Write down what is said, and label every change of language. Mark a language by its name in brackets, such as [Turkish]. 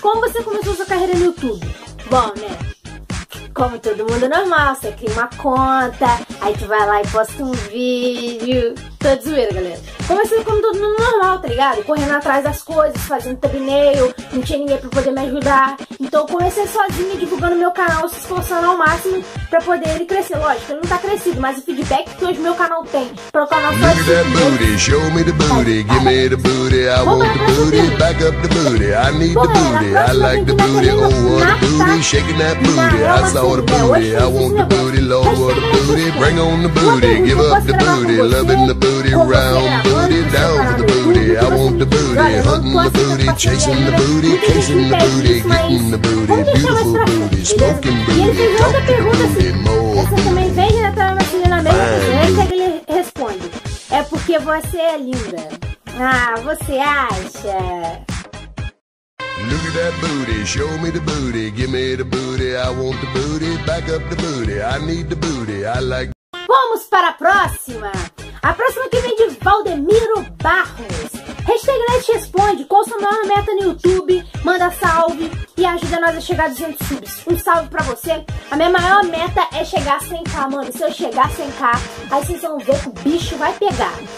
[Portuguese] Como você começou sua carreira no YouTube? Bom, né? Como todo mundo normal, você cria uma conta, aí tu vai lá e posta um vídeo. Tô de zoeira, galera. Comecei como todo mundo normal, tá ligado? Correndo atrás das coisas, fazendo thumbnail, não tinha ninguém pra poder me ajudar. Então eu comecei sozinha, divulgando meu canal, se esforçando ao máximo pra poder ele crescer. Lógico, ele não tá crescido, mas o feedback que hoje meu canal tem pra o canal fazer. [English] Give me that booty, show me the booty, give me the booty, I want the booty, back up the booty, I need the booty, I like the booty, oh what the booty, shaking that booty, I saw the booty, I want the booty, lower the booty, bring on the booty, give up the booty, loving the booty, round the booty. Booty down for the booty, I want the booty, hunting the booty, chasing the booty, chasing the booty, getting the booty, beautiful booty, smoking booty, talking the booty, more booty. [Portuguese] Responde, é porque você é linda. Ah, você acha? [English] Look at that booty, show me the booty, give me the booty, I want the booty, back up the booty, I need the booty, I like. [Portuguese] Vamos para a próxima. A próxima aqui vem de Valdemiro Barros. Hashtag Leti Responde, qual sua maior meta no YouTube? Manda salve e ajuda nós a chegar a 200 subs. Um salve pra você. A minha maior meta é chegar a 100k, mano. Se eu chegar a 100k, aí vocês vão ver que o bicho vai pegar.